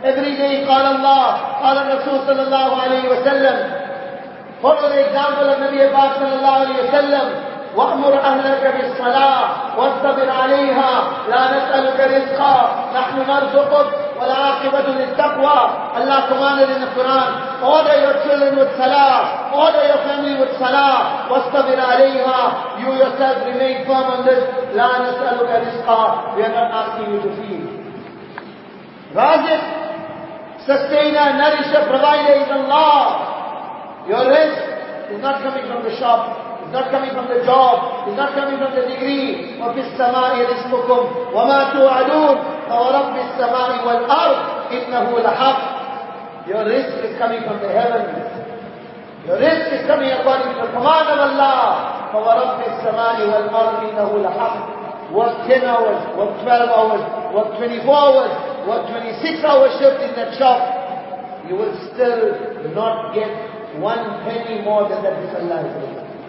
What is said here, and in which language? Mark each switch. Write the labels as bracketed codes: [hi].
[en] Every day, qala Allah, qala Rasul sallallahu alayhi wa sallam, follow the example of Nabi Abbas sallallahu alayhi wa sallam, [ar] وَأْمُرْ أَهْلَكَ بِالصَّلَاةِ وَاسْتَبِرْ عَلَيْهَا لَا نَسْأَلُكَ رِزْقًا نَحْنُ نَرْزُقُكَ وَالْعَاقِبَةُ لِلتَّقْوَى [en] Allah commanded in the Quran, order your children with salah, order your family with salah, [ar] وَاسْتَبِرْ عَلَيْهَا [en] You yourself remain firm on this, [ar] لَا نَسْأَلُكَ رِزْقًا [en] We are not asking you to feed. Razik, sustainer, nourisher, provider is Allah. Your risk is not coming from the shop, it's not coming from the job, it's not coming from the degree. [ar] وَفِي السَّمَاءِ رِزْقُكُمْ وَمَا تُوَعَدُونَ فَوَرَبِّ السَّمَاءِ وَالْأَرْضِ إِنَّهُ لَحَقٌّ [en] Your risk is coming from the heavens. Your risk is coming according to the command of Allah. [ar] فَوَرَبِّ السَّمَاءِ وَالْأَرْضِ إِنَّهُ لَحَقٌّ [en] Work 10 hours, work 12 hours, work 24 hours, work 26 hours shift in that shop. You will still not get one penny more than that which Allah is doing.